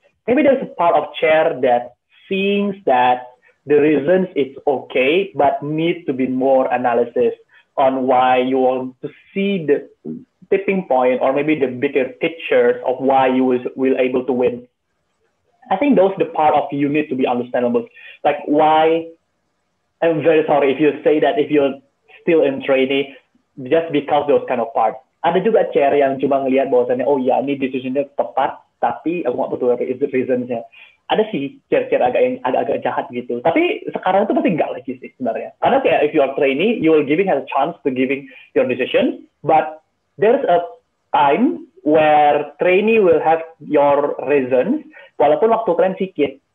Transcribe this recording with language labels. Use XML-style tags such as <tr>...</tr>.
<en>Maybe there's a part of chair that seems that the reasons it's okay, but need to be more analysis on why you want to see the tipping point or maybe the bigger picture of why you will able to win. I think those the part of you need to be understandable. Like why, I'm very sorry if you say that if you're still in training, just because those kind of parts.</en> <id>Ada juga chair yang cuma ngelihat bahwasannya, oh ya ini decision-nya tepat, tapi aku nggak betul apa is the reasons-nya. Ada sih chair-chair agak jahat gitu. Tapi sekarang itu pasti nggak lagi sih sebenarnya. Karena kayak</id> <en>if you are trainee, you will giving have a chance to giving your decision. But there's a time where trainee will have your reasons,</en> <id>walaupun waktu kalian sikit.</id>